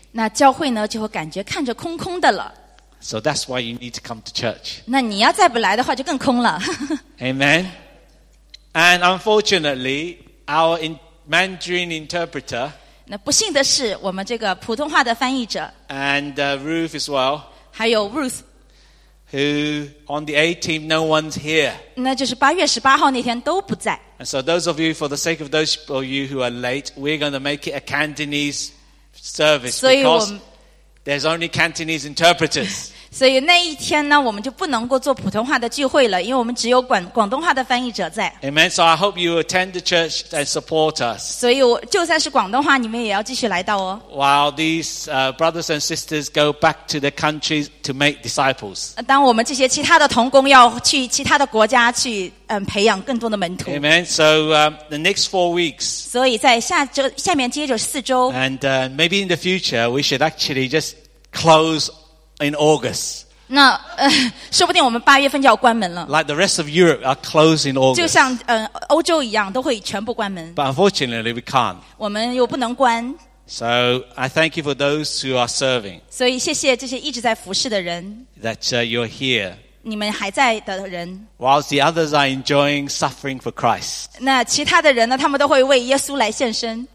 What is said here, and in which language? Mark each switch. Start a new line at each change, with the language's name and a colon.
Chinese: 那教会呢，就会感觉看着空空的了。
English: So that's why you need to come to church.
Chinese: 那你要再不来的话就更空了。
English: Amen. And unfortunately, our Mandarin interpreter.
Chinese: 那不幸的是我们这个普通话的翻译者。
English: And Ruth as well.
Chinese: 还有 Ruth.
English: Who on the 18th, no one's here.
Chinese: 那就是8月18号那天都不在。
English: And so those of you, for the sake of those of you who are late, we're going to make it a Cantonese service. Because... There's only Cantonese interpreters.
Chinese: 所以那一天呢，我们就不能够做普通话的聚会了，因为我们只有广东话的翻译者在。
English: Amen. So I hope you attend the church and support us.
Chinese: 所以我就算是广东话，你们也要继续来到哦。
English: While these brothers and sisters go back to their countries to make disciples.
Chinese: 当我们这些其他的同工要去其他的国家去培养更多的门徒。
English: Amen. So the next 4 weeks.
Chinese: 所以在下面接着4周。
English: And maybe in the future we should actually just close. In August.
Chinese: 那说不定我们八月份就要关门了。
English: Like the rest of Europe are closed in August.
Chinese: 就像欧洲一样，都会全部关门。
English: But unfortunately, we can't.
Chinese: 我们又不能关。
English: So I thank you for those who are serving.
Chinese: 所以谢谢这些一直在服侍的人。
English: That you're here.
Chinese: 你们还在的人。
English: While the others are enjoying suffering for Christ.
Chinese: 那其他的人呢？他们都会为耶稣来献身。